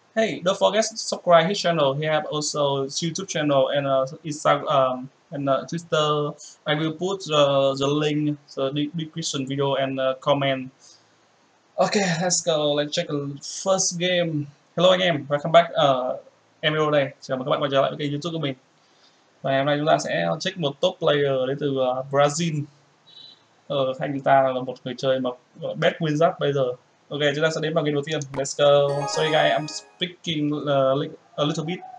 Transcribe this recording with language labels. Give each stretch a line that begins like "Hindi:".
English: Hey, don't forget to subscribe his channel. He have also YouTube channel and Instagram and Twitter. I will put the link so the description video and comment. Okay, let's go. Let's check the first game. Hello again. Welcome back.
Vietnamese: Em yêu đây. Chào mừng các bạn quay trở lại với kênh YouTube của mình. Và hôm nay chúng ta sẽ check một top player đến từ Brazil. Hay chúng ta là một người chơi mà best Wizard bây giờ. Ok, chúng ta sẽ đến vào game đầu tiên.
English: Let's go. Sorry guys, I'm speaking a little bit.